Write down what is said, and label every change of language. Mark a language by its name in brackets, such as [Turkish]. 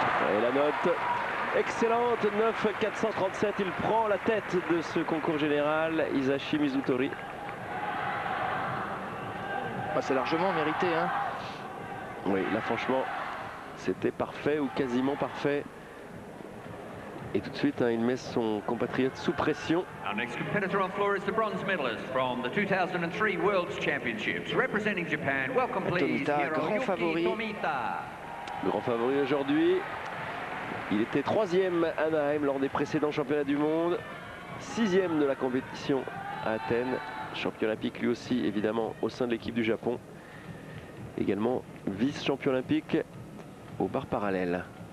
[French] Et la note excellente, 9,437. Il prend la tête de ce concours général, Hisashi Mizutori. Bah, c'est largement mérité. Hein. Oui, là franchement, c'était parfait ou quasiment parfait. Et tout de suite, hein, il met son compatriote sous pression. [English] Our next competitor on floor is the bronze medalist from the 2003 World Championships, representing Japan. Welcome, please. [French] Tomita, grand favori. Grand favori aujourd'hui. Il était troisième à Anaheim lors des précédents championnats du monde, sixième de la compétition à Athènes, champion olympique lui aussi, évidemment, au sein de l'équipe du Japon. Également vice-champion olympique aux barres parallèles.